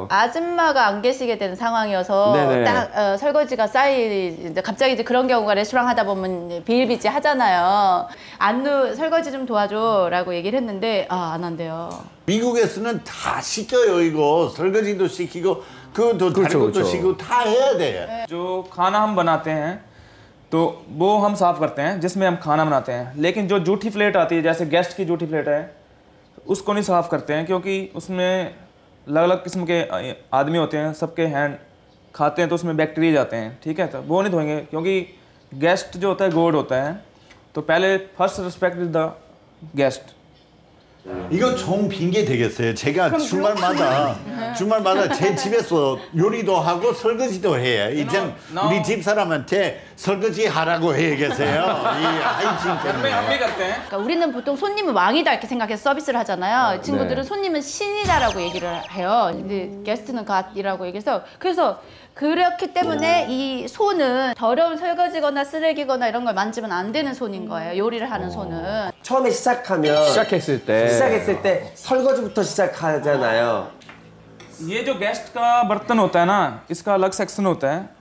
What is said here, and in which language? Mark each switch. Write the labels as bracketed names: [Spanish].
[Korean] 아줌마가 안 계시게 된 상황이어서 네네. 딱 설거지가 이제 갑자기 이제 그런 경우가 레스토랑 하다 보면 비일비재 하잖아요. 안누 설거지 좀 도와줘라고 얘기를 했는데 안 한대요. 미국에서는 다 시켜요 이거. 설거지도 시키고 그 다른 것도 시키고 다 해야 돼. 저 가나 한번 하대. [Hindi] तो वो हम साफ करते हैं जिसमें हम खाना बनाते हैं, लेकिन जो जूठी प्लेट आती है जैसे गेस्ट की जूठी प्लेट है उसको नहीं साफ करते हैं, क्योंकि उसमें अलग अलग किस्म के आदमी होते हैं, सबके हैंड खाते हैं तो उसमें बैक्टीरिया जाते हैं, ठीक है, तो वो नहीं धोएंगे, क्योंकि गेस्ट जो होता है गॉड होता है, तो पहले [English] First respect is the guest. [Korean] 이거 좋은 핑계 되겠어요. 제가 주말마다 주말마다 제 집에서 요리도 하고 설거지도 해요. 이젠 우리 집 사람한테 설거지 하라고 해야겠어요. 이 하이진 때문에. 그러니까 우리는 보통 손님은 왕이다 이렇게 생각해서 서비스를 하잖아요. 친구들은 손님은 신이다라고 얘기를 해요. 근데 게스트는 갓이라고 얘기해서 그래서 그렇기 때문에 이 손은 더러운 설거지거나 쓰레기거나 이런 걸 만지면 안 되는 손인 거예요. 요리를 하는 손은. 처음에 시작하면 시작했을 때 설거지부터 시작하잖아요. 이게 게스트가 버튼 [Hindi] होता है ना, इसका अलग सेक्शन होता है.